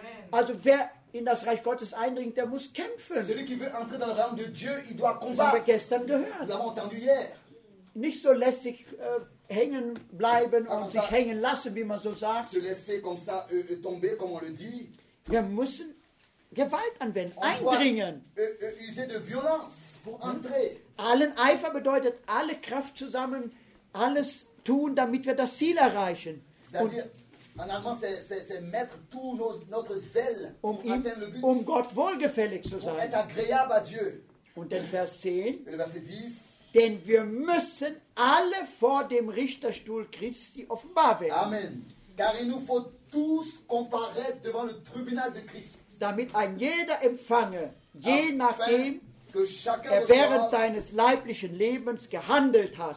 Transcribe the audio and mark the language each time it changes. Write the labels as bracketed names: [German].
[German] Also wer in das Reich Gottes eindringt, der muss kämpfen. [French] Celui qui veut entrer dans le règne de Dieu, il doit combattre. [German] Das haben wir gestern gehört. [French] L'avons entendu hier. [German] Nicht so lässig hängen bleiben und sich hängen lassen, wie man so sagt. [French] Se laisser comme ça tomber, comme on le dit. [German] Wir müssen Gewalt anwenden, eindringen. [French] User de violence pour entrer. [German] Allen Eifer bedeutet alle Kraft zusammen, alles tun, damit wir das Ziel erreichen. Um Gott wohlgefällig zu sein. [French] Être agréable à Dieu. [German] Und in Vers 10, [French] Verset 10, [German] denn wir müssen alle vor dem Richterstuhl Christi offenbar werden. Amen. [French] Car il nous faut tous comparaître devant le tribunal de Christ. [German] Damit ein jeder empfange, je nachdem er während seines leiblichen Lebens gehandelt hat,